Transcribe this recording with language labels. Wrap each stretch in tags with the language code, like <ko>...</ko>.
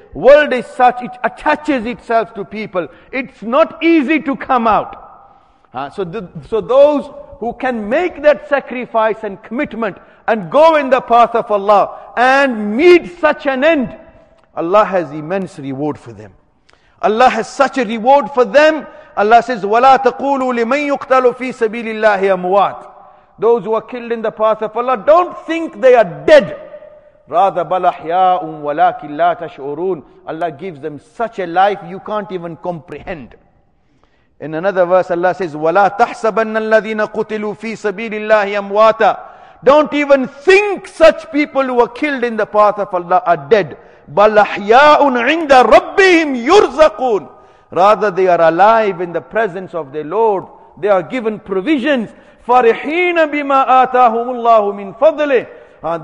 <en>World is such, it attaches itself to people. It's not easy to come out. So those who can make that sacrifice and commitment and go in the path of Allah and meet such an end, Allah has immense reward for them. Allah has such a reward for them. Allah says,</en> <ar>وَلَا تَقُولُوا لِمَنْ يُقْتَلُ فِي سَبِيلِ اللَّهِ أَمْوَاتٍ.</ar> <en>Those who are killed in the path of Allah, don't think they are dead.</en> <ar>رَاذَ بَلَحْيَاءٌ وَلَكِنْ لَا تَشْعُرُونَ.</ar> <en>Allah gives them such a life you can't even comprehend. In another verse, Allah says,</en> <ar>وَلَا تَحْسَبَنَّ الَّذِينَ قُتِلُوا فِي سَبِيلِ اللَّهِ أَمْوَاتًا.</ar> <en>Don't even think such people who are killed in the path of Allah are dead.</en> <ar>بَلَحْيَاءٌ عِنْدَ رَبِّهِمْ يُرْزَقُونَ.</ar> <en>Rather, they are alive in the presence of their Lord. They are given provisions.</en> <ar>فَرِحِينَ بِمَا آتَاهُمُ اللَّهُ مِنْ فَضْلِهِ.</ar>